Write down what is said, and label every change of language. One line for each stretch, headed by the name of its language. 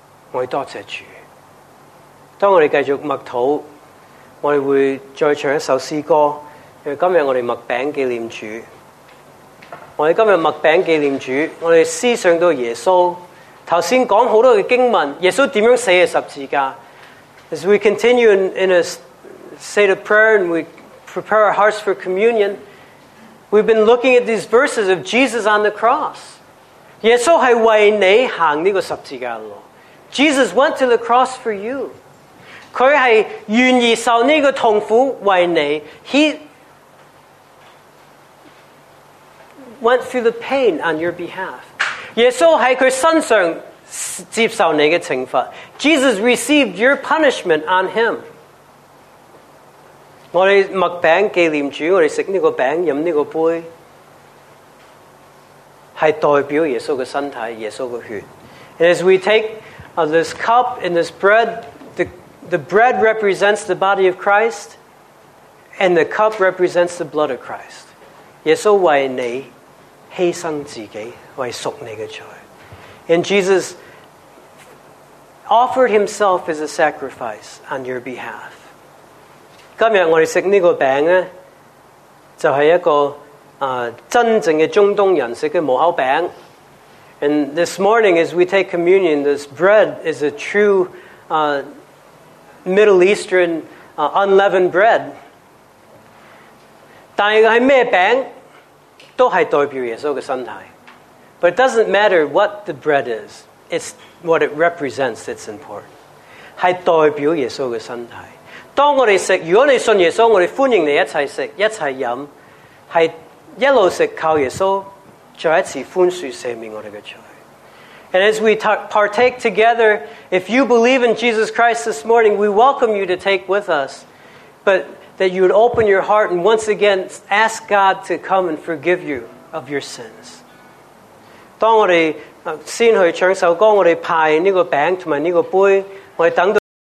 Chinese: 我们多谢主。当我们继续默祷，我们会再唱一首诗歌，因为今天我们默饼纪念主。我们今天默饼纪念主，我们思想到耶稣刚才讲很多的经文，耶稣怎样死的十字架。
English: As we continue in a state of prayer and we prepare our hearts for communion, we've been looking at these verses of Jesus on the cross.
Chinese: 耶稣是为你行这个十字架的路。
English: Jesus went to the cross for you.
Chinese: 他是愿意受这个痛苦为你。
English: Hewent through the pain on your behalf.
Chinese: 耶稣在他身上接受你的惩罚。
English: Jesus received your punishment on him.
Chinese: 我们默饼纪念主，我们吃这个饼，喝这个杯，是代表耶稣的身体，耶稣的血。
English: And as we take this cup and this bread, the bread represents the body of Christ, and the cup represents the blood of Christ.
Chinese: 耶稣为你牺牲自己为赎你的罪。
English: And Jesus offered himself as a sacrifice on your behalf.
Chinese: 今天我们吃这个饼呢，就是一个真正的中东人吃的无酵饼。
English: And this morning as we take communion, this bread is a true Middle Eastern unleavened bread.
Chinese: 但是它是什么饼都是代表耶稣的身体。
English: But it doesn't matter what the bread is, it's what it represents that's important.
Chinese: 是代表耶稣的身体。当我们吃，如果你信耶稣，我们欢迎你一起吃，一起喝，是一路吃靠耶稣，再一次宽恕赦免我们的罪。
English: And as we partake together, if you believe in Jesus Christ this morning, we welcome you to take with us, butthat you would open your heart and once again ask God to come and forgive you of your sins.
Chinese: 当我们先去唱首歌，我们排这个饼和这个杯，我们等到